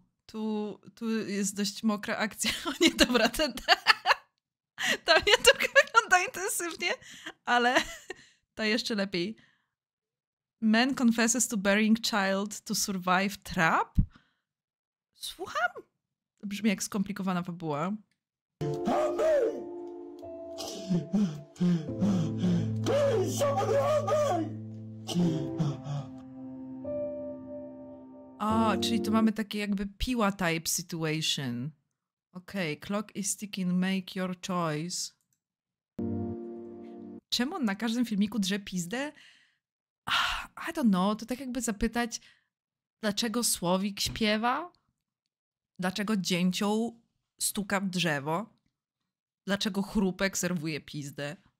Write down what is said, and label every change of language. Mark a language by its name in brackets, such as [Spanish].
[Polish] Tu jest dość mokra akcja. O nie, dobra, ta mnie trochę wygląda intensywnie, ale to jeszcze lepiej. [English] Man confesses to burying child to survive trap? [Polish] Słucham? Brzmi jak skomplikowana fabuła. [English] Help me! Please, somebody help [Polish] O, czyli tu mamy takie jakby piła type situation. [English] Okej, okay, clock is ticking, make your choice. [Polish] Czemu on na każdym filmiku drze pizdę? [English] I don't know, [Polish] to tak jakby zapytać, dlaczego słowik śpiewa? Dlaczego dzięcioł stuka w drzewo? Dlaczego chrupek serwuje pizdę?